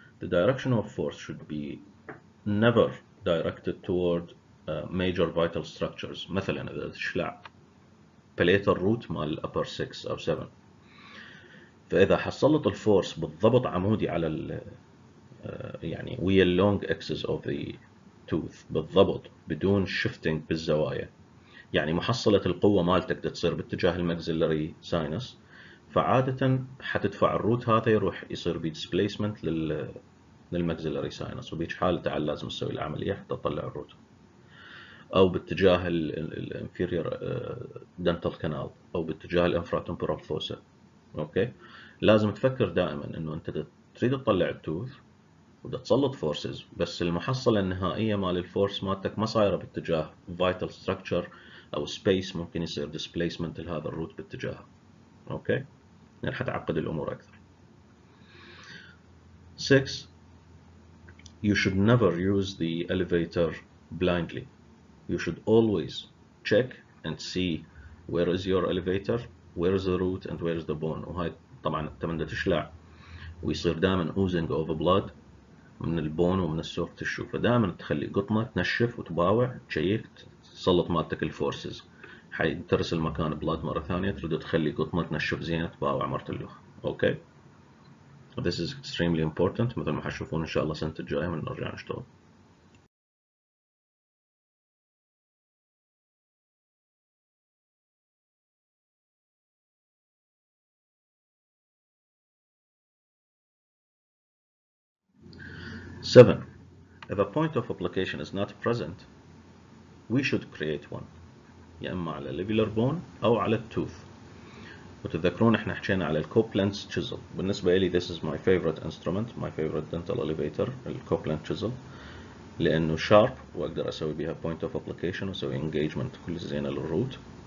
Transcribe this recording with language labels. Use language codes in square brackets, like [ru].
[en] The direction of force should be never directed toward major vital structures. [ar] مثلا اذا تشلع palatal root مال upper 6 او 7، فاذا حصلت الفورس بالضبط عمودي على يعني ويا اللونج اكسس اوف ذا توث بالضبط بدون شيفتنج بالزوايا، يعني محصله القوه مالتك تصير باتجاه المكزيلري ساينس، فعاده حتدفع الروت هذا يروح يصير بي ديسبيسمنت للمكزيلري ساينس، وبهيج حاله تعال لازم تسوي العمليه حتى تطلع الروت، او باتجاه الانفيرير دنتال كانال او باتجاه الانفراتمبورال فوسا. اوكي لازم تفكر دائما انه انت تريد تطلع التوث وده تسلط فورسز، بس المحصله النهائيه مال الفورس مالتك ما صايره باتجاه فايتال ستراكشر او سبيس ممكن يصير ديسبيسمنت لهذا الروت باتجاهه. اوكي يعني راح تعقد الامور اكثر. [en] 6. You should never use the elevator blindly. You should always check and see where is your elevator, where is the root, and where is the bone. [ar] وهاي طبعا تمن تشلع ويصير دائما [en] oozing of blood [ar] من البون ومن السوفت تشو. فدائما تخلي قطنة تنشف وتباوع تشيك تسلط مالتك الفورسز حيترس المكان بلاد مرة ثانية ترد تخلي قطنة تنشف زين تباوع مرة الأخرى. أوكي [en] this is extremely important [ar] مثل ما حشوفون إن شاء الله سنة الجاية من نرجع نشتغل. [en] Seven, if a point of application is not present, we should create one. [ar] يا إما على الليفيلر بون أو على التوث. وتذكرون إحنا حكينا على الكوبلاند تشيزل. بالنسبة لي [en] this is my favorite instrument, my favorite dental elevator, الكوبلاند chisel. [ar] لأنه شارب وأقدر أسوي بها point of application وأسوي engagement كل زينة للروت.